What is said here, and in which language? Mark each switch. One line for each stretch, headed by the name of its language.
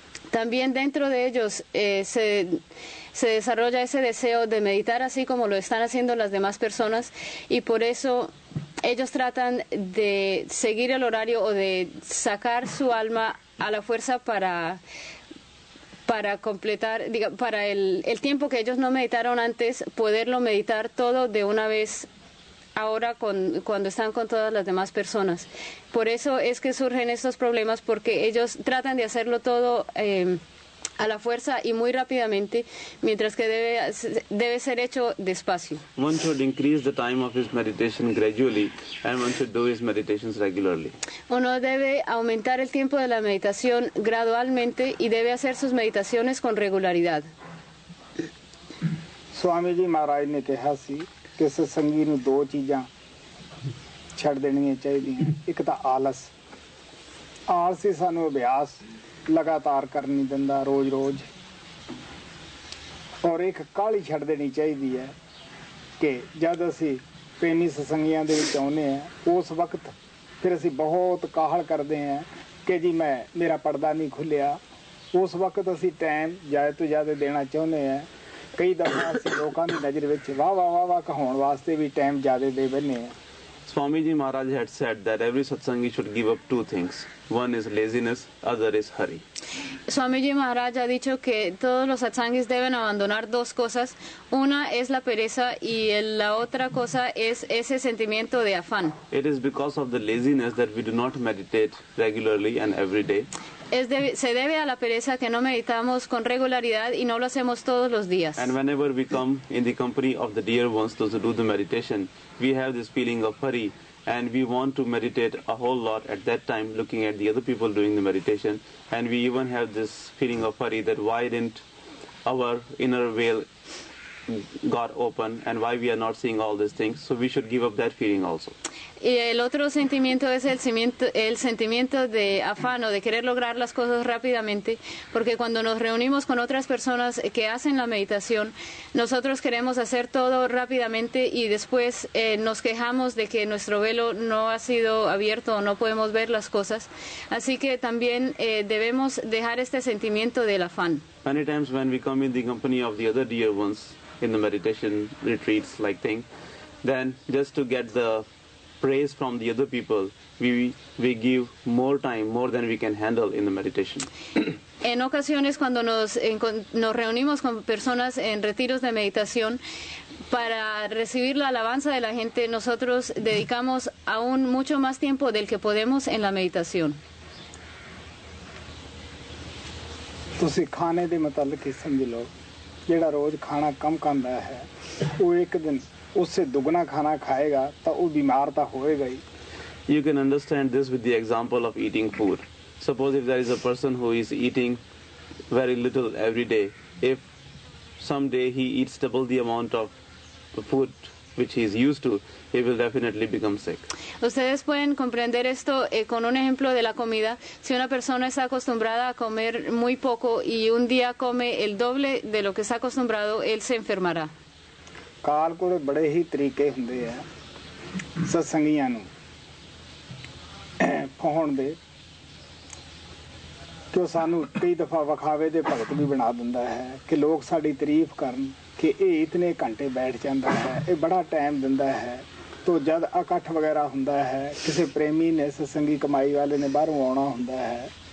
Spanish: también dentro de ellos se desarrolla ese deseo de meditar así como lo están haciendo las demás personas y por eso ellos tratan de seguir el horario o de sacar su alma a la fuerza para completar, para el tiempo que ellos no meditaron antes, poderlo meditar todo de una vez ahora cuando están con todas las demás personas. Por eso es que surgen estos problemas, porque ellos tratan de hacerlo todo a la fuerza y muy rápidamente, mientras que debe ser hecho despacio.
English: One should increase the time of his meditation gradually and one should do his meditations regularly.
Spanish: Uno debe aumentar el tiempo de la meditación gradualmente y debe hacer sus meditaciones con regularidad.
Punjabi: Swamiji Maharaj ne keha si ke satsangi nu do cheezan chhad deniyan chahidiyan. Ik ta aalas. Aalas hi sanu abhyas ਲਗਾਤਾਰ ਕਰਨੀ ਦਿੰਦਾ ਰੋਜ਼ ਰੋਜ਼, ਔਰ ਇੱਕ ਕਾਹਲੀ ਛੱਡ ਦੇਣੀ ਚਾਹੀਦੀ ਹੈ ਕਿ ਜਦ ਅਸੀਂ ਪ੍ਰੇਮੀ ਸਤਸੰਗੀਆਂ ਦੇ ਵਿੱਚ ਆਉਂਦੇ ਹਾਂ ਉਸ ਵਕਤ ਫਿਰ ਅਸੀਂ ਬਹੁਤ ਕਾਹਲ ਕਰਦੇ ਹਾਂ ਕਿ ਜੀ ਮੈਂ ਮੇਰਾ ਪਰਦਾ ਨਹੀਂ ਖੁੱਲਿਆ, ਉਸ ਵਕਤ ਅਸੀਂ ਟਾਈਮ ਜ਼ਿਆਦਾ ਤੋਂ ਜ਼ਿਆਦਾ ਦੇਣਾ ਚਾਹੁੰਦੇ ਹਾਂ, ਕਈ ਦਫ਼ਾ ਅਸੀਂ ਲੋਕਾਂ ਦੀ ਨਜ਼ਰ ਵਿੱਚ ਵਾਹ ਵਾਹ ਵਾਹ ਵਾਹ ਕਹਾਉਣ ਵਾਸਤੇ ਵੀ ਟਾਈਮ ਜ਼ਿਆਦਾ ਦੇ ਬਹਿੰਦੇ ਹਾਂ।
English: Swami Ji Maharaj had said that every satsangi should give up two things. One is laziness, other is hurry.
Spanish: Swami Ji Maharaj ha dicho que todos los satsangis deben abandonar dos cosas. Una es la pereza y la otra cosa es ese sentimiento de afán.
English: It is because of the laziness that we do not meditate regularly and every day.
Spanish: Se debe a la pereza que no meditamos con regularidad y no lo hacemos todos los días.
English: And whenever we come in the company of the dear ones, those who do the meditation, we have this feeling of hurry and we want to meditate a whole lot at that time looking at the other people doing the meditation, and we even have this feeling of hurry that why didn't our inner veil got open and why we are not seeing all these things. So we should give up that feeling also.
Spanish: Y el otro sentimiento es el sentimiento de afán o de querer lograr las cosas rápidamente, porque cuando nos reunimos con otras personas que hacen la meditación, nosotros queremos hacer todo rápidamente y después nos quejamos de que nuestro velo no ha sido abierto o no podemos ver las cosas. Así que también debemos dejar este sentimiento del afán.
English: Many times when we come in the company of the other dear ones in the meditation retreats like thing, then just to get the praise from the other people, we give more time, more than we can handle in the meditation.
Spanish: En ocasiones cuando nos reunimos con personas en retiros de meditación, para recibir la alabanza de la gente, nosotros dedicamos aún mucho más tiempo del que podemos en la meditación.
Punjabi: ਤੁਸੀਂ ਖਾਣੇ ਦੇ ਮੁਤਾਬਕ ਹੀ ਸਮਝ ਲਓ ਜਿਹੜਾ ਰੋਜ਼ ਖਾਣਾ ਕਮ ਖਾਂਦਾ ਹੈ ਉਹ ਇੱਕ ਦਿਨ ਉਸੇ ਦੁੱਗਣਾ ਖਾਣਾ ਖਾਏਗਾ ਤਾਂ ਉਹ ਬਿਮਾਰ ਤਾਂ ਹੋਏਗਾ ਹੀ
English: You can understand this with the example of eating food suppose if there is a person who is eating very little every day if some day he eats double the amount of food which he is used to, he will definitely become sick.
Spanish: Ustedes pueden comprender esto con un ejemplo de la comida. Si una persona está acostumbrada a comer muy poco y un día come el doble de lo que está acostumbrado, él se enfermará.
Punjabi: ਕਾਲ ਕੋਲੇ ਬੜੇ ਹੀ ਤਰੀਕੇ ਹੁੰਦੇ ਆ ਸਤਸੰਗੀਆਂ ਨੂੰ ਪਹੁੰਚਣ ਦੇ ਕਿ ਉਹ ਸਾਨੂੰ ਕਈ ਦਫ਼ਾ ਵਿਖਾਵੇ ਦੇ ਭਗਤ ਵੀ ਬਣਾ ਦਿੰਦਾ ਹੈ ਕਿ ਲੋਕ ਸਾਡੀ ਤਾਰੀਫ ਕਰਨ ਕਿ ਇਹ ਇਤਨੇ ਘੰਟੇ ਬੈਠ ਜਾਂਦਾ ਹੈ ਇਹ ਬੜਾ ਟਾਈਮ ਦਿੰਦਾ ਹੈ ਤੋ ਜਦ ਇਕੱਠ ਵਗੈਰਾ ਹੁੰਦਾ ਹੈ ਕਿਸੇ ਪ੍ਰੇਮੀ ਨੇ ਸਤਸੰਗੀ ਕਮਾਈ ਵਾਲੇ ਨੇ ਬਾਹਰੋਂ ਆਉਣਾ ਹੁੰਦਾ ਹੈ